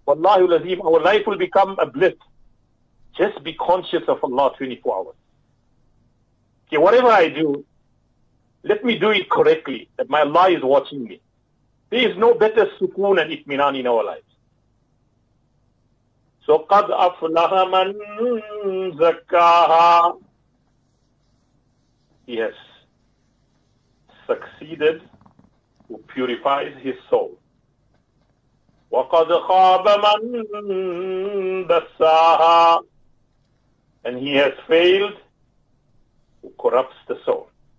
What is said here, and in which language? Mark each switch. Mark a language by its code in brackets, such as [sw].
[en] Wallahi al-Azim, our life will become a bliss. Just be conscious of Allah 24 hours. Okay, whatever I do, let me do it correctly, that my Allah is watching me. There is no better sukoon and itminan in our lives. [ar] So, قَدْ أَفْلَحَ مَنْ زَكَّاهَا. [en] He has succeeded who purifies his soul. [ar] وَقَدْ خَابَ مَنْ دَسَّاهَا. [en] And he has failed who corrupts the soul.